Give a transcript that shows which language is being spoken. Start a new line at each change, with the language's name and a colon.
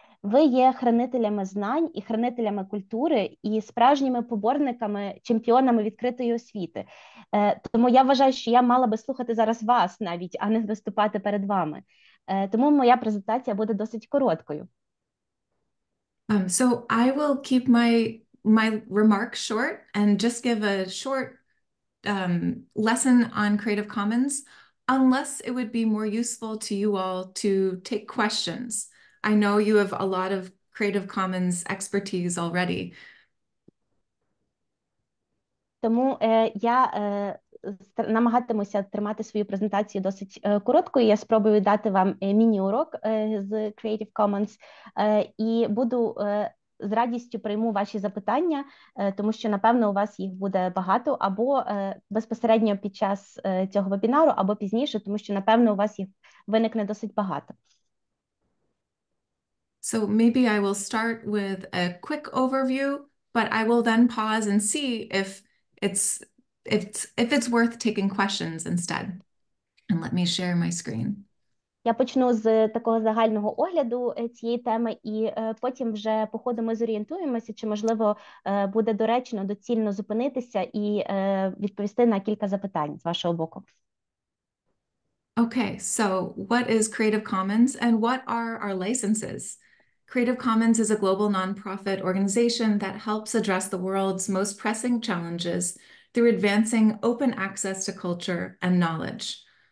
Ukrainian: Ви є хранителями знань і хранителями культури і справжніми поборниками, чемпіонами відкритої освіти. Тому я вважаю, що я мала би слухати зараз вас навіть, а не виступати перед вами. Тому моя презентація буде досить короткою.
English: So I will keep my remarks short and just give a short lesson on Creative Commons, unless it would be more useful to you all to take questions. I know you have a lot of Creative Commons expertise already.
Ukrainian: Тому я намагатимуся тримати свою презентацію досить короткою. Я спробую дати вам міні-урок з Creative Commons і буду з радістю прийму ваші запитання, тому що, напевно, у вас їх буде багато або безпосередньо під час цього вебінару, або пізніше, тому що, напевно, у вас їх виникне досить багато.
English: So maybe I will start with a quick overview, but I will then pause and see if it's worth taking questions instead. And let me share my screen.
Ukrainian: Я почну з такого загального огляду цієї теми, і потім вже по ходу ми зорієнтуємося, чи, можливо, буде доречно, доцільно зупинитися і відповісти на кілька запитань з вашого боку.
English: Okay, so what is Creative Commons and what are our licenses? Creative Commons is a global nonprofit organization that helps address the world's most pressing challenges through advancing open access to culture and knowledge.